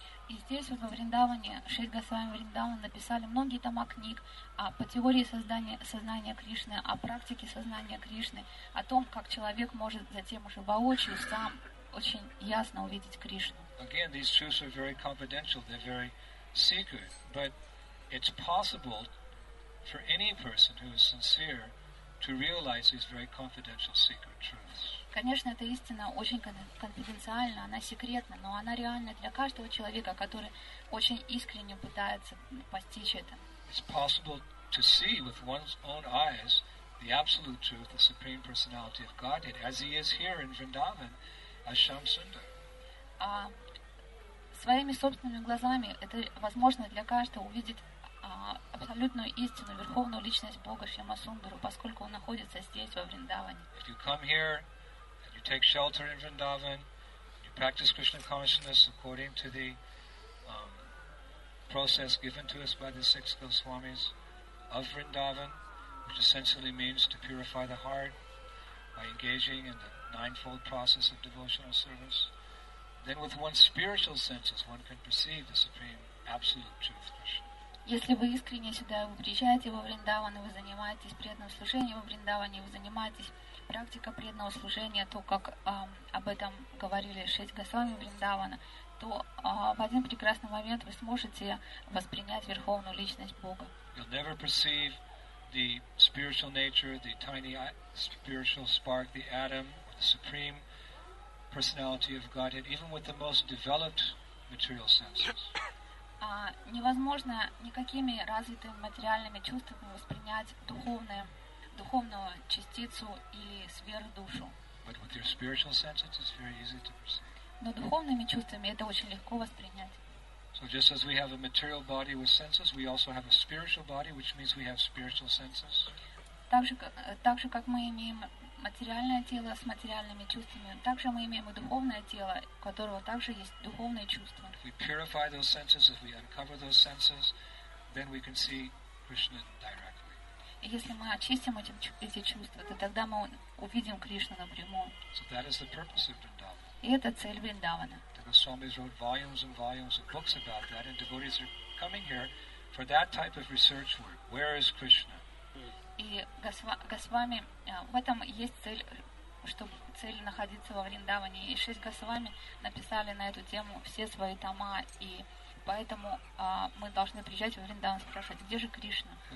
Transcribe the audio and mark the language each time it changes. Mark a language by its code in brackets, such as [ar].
[ru] И здесь вот во Вриндаване, Шри Госвами Вриндаван написали многие тома книг по теории создания сознания Кришны, о практике сознания Кришны, о том, как человек может затем уже воочию сам очень ясно увидеть Кришну. [en] Again, these truths are very confidential, they're very secret, but it's possible for any person who is sincere to realize these very confidential secret truths. [ru] Конечно, эта истина очень конфиденциальна, она секретна, но она реальна для каждого человека, который очень искренне пытается постичь это. [en] It's possible to see with one's own eyes the absolute truth, the Supreme Personality of Godhead, as He is here in Vrindavan, as Shyamasundara. [ru] А своими собственными глазами это возможно для каждого увидеть абсолютную истину, верховную личность Бога Шьямасундару, поскольку Он находится здесь, во Вриндаване. [en] If you come here, take shelter in Vrindavan, you practice Krishna consciousness according to the process given to us by the six Goswamis of Vrindavan, which essentially means to purify the heart by engaging in the ninefold process of devotional service. Then with one's spiritual senses, one can perceive the Supreme Absolute Truth, Krishna. [ru] Если вы искренне сюда вы приезжаете во Вриндаван, и вы занимаетесь преданным служением во Вриндаване, вы занимаетесь практикой преданного служения, то, как об этом говорили шесть Госвами Вриндавана, то в один прекрасный момент вы сможете воспринять Верховную Личность Бога. [en] You'll never perceive the spiritual nature, the tiny spiritual spark, the atom, or the Supreme Personality of Godhead, even with the most developed material senses. [ru] Невозможно никакими развитыми материальными чувствами воспринять духовную частицу или сферу душу. [en] But with your spiritual senses, it's very easy to perceive. [ru] Но духовными чувствами это очень легко воспринять. [en] So just as we have a material body with senses, we also have a spiritual body, which means we have spiritual senses. [ru] Так же, как мы имеем материальное тело с материальными чувствами, также мы имеем и духовное тело, у которого также есть духовные чувства. [en] If we purify those senses, if we uncover those senses, then we can see Krishna directly. [ru] И если мы очистим эти чувства, то тогда мы увидим Кришну напрямую. [en] So that is the purpose of Vrindavan. [ru] И это цель Вриндавана. [en] The Goswamis wrote volumes and volumes of books about that, and devotees are coming here for that type of research work. Where is Krishna? [ru] И Госвами, в этом есть цель, чтобы цель находиться во Вриндаване. И шесть Госвами написали на эту тему все свои тома, и поэтому мы должны приезжать во Вриндаван и спрашивать, где же Кришна?